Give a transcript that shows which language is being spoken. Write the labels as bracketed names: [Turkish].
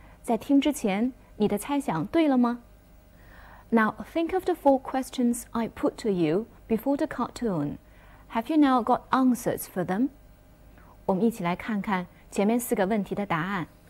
[Chinese] 在听之前，你的猜想对了吗？ [English] Now, think of the four questions I put to you before the cartoon. Have you now got answers for them? [Chinese] 我们一起来看看前面四个问题的答案。